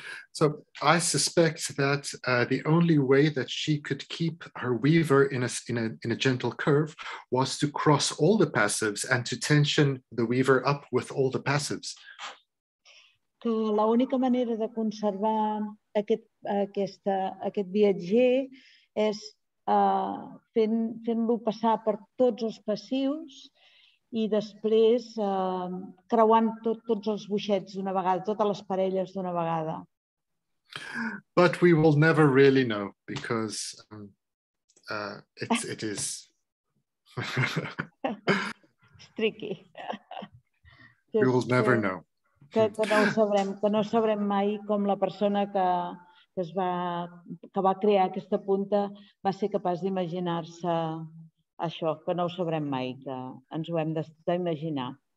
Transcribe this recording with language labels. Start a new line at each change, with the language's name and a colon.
English: So I suspect that the only way that she could keep her weaver in a gentle curve was to cross all the passives and to tension the weaver up with all the passives.
Catalan: Que la única manera de conservar aquest viatger és fent-lo passar per tots els passius i després creuant tots els boixets d'una vegada, totes les parelles d'una vegada.
English: But we will never really know because it is tricky. We will never know.
Catalan: Que no ho sabrem, que no sabrem mai com la persona que va crear aquesta punta va ser capaç d'imaginar-se això, que no ho sabrem mai, que ens ho hem d'imaginar.